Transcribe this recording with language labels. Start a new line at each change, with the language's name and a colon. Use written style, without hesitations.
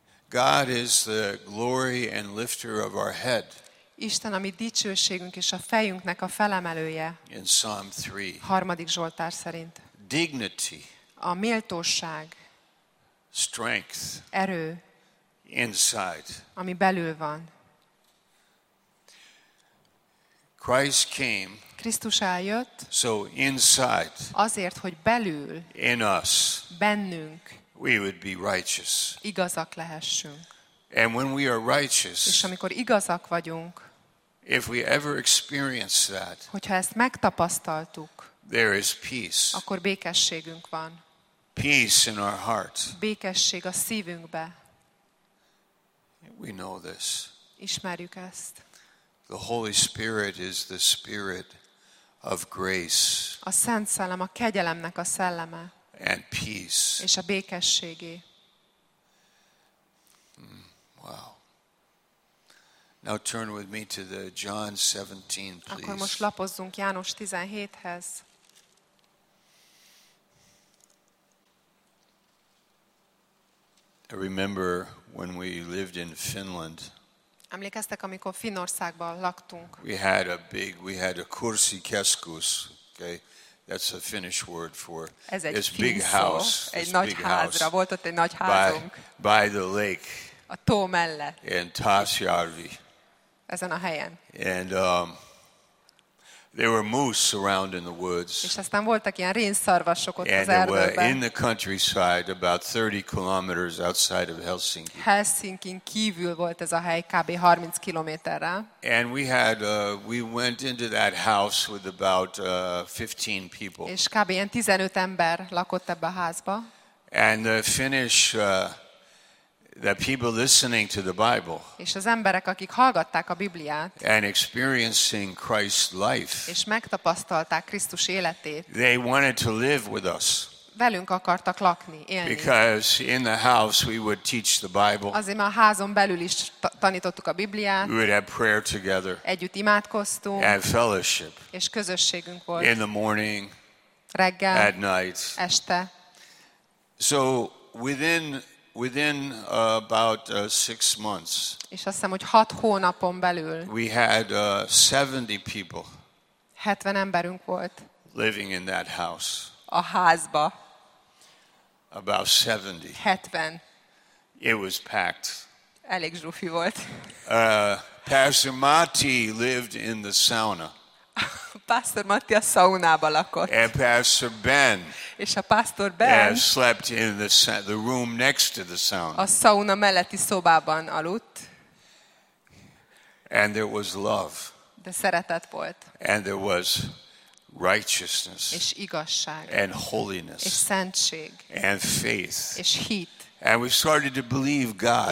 English: God is the glory and lifter of our head.
Hungarian: Isten a mi dicsőségünk és a fejünknek a felemelője.
English: In Psalm 3.
Hungarian: Harmadik Zsoltár szerint.
English: Dignity.
Hungarian: A méltóság.
English: Strength.
Hungarian: Erő.
English: Inside.
Hungarian: Ami belül van.
English: Christ came.
Hungarian: Krisztus eljött.
English: So inside.
Hungarian: Azért, hogy belül.
English: In us.
Hungarian: Bennünk.
English: We would be righteous.
Hungarian: Igazak lehessünk.
English: And when we are righteous.
Hungarian: És amikor igazak vagyunk.
English: If we ever experience that.
Hungarian: Hogyha ezt megtapasztaltuk.
English: There is peace.
Hungarian: Akkor békességünk van.
English: Peace in our heart.
Hungarian: Békesség a szívünkbe.
English: We know this.
Hungarian: Ismerjük ezt.
English: The Holy Spirit is the Spirit of grace.
Hungarian: A Szent Szellem a kegyelemnek a szelleme.
English: And peace.
Hungarian: És a békességé.
English: Wow. Now turn with me to the John 17, please.
Hungarian: Akkor most lapozzunk János 17-hez.
English: I remember when we lived in Finland.
Hungarian: Emlékeztek, amikor Finnországban laktunk?
English: We had a kursi keskus, okay? That's a Finnish word for this big house.
Hungarian: Egy nagy házra volt ott egy nagy házunk.
English: By the lake.
Hungarian: A tó mellett.
English: In Tasjärvi.
Hungarian: Ezen a helyen.
English: And there were moose around in the woods.
Hungarian: És aztán voltak ilyen rénszarvasok ott
English: and
Hungarian: az erdőben.
English: And in the countryside, about 30 kilometers outside of Helsinki.
Hungarian: Helsinkin kívül volt ez a hely, kb. 30 kilométerre.
English: And we went into that house with about 15 people.
Hungarian: És kb. 15 ember lakott ebbe a házba.
English: And the Finnish the people listening to the Bible.
Hungarian: És az emberek, akik hallgatták a Bibliát.
English: And experiencing Christ's life.
Hungarian: És megtapasztalták Krisztus életét.
English: They wanted to live with us.
Hungarian: Velünk akartak lakni, élni.
English: Because in the house we would teach the Bible.
Hungarian: Azért a házon belül is tanítottuk a Bibliát.
English: We would have prayer together.
Hungarian: Együtt imádkoztunk.
English: And fellowship.
Hungarian: És közösségünk volt.
English: In the morning.
Hungarian: Reggel.
English: At night.
Hungarian: Este.
English: So within about 6 months.
Hungarian: És azt hiszem, hogy 6 hónapon belül.
English: We had 70 people.
Hungarian: 70 emberünk volt.
English: Living in that house.
Hungarian: A házba.
English: About 70.
Hungarian: 70.
English: It was packed.
Hungarian: Elég zsufi volt.
English: Pastor Matti lived in the sauna.
Hungarian: Pastor Matti a szaunába lakott.
English: And Pastor Ben.
Hungarian: És a Pastor Ben.
English: Slept in the room next to the sauna.
Hungarian: A szauna melletti szobában aludt.
English: And there was love.
Hungarian: De szeretet volt.
English: And there was righteousness.
Hungarian: És igazság.
English: And holiness.
Hungarian: És szentség.
English: And faith.
Hungarian: És hit.
English: And we started to believe God.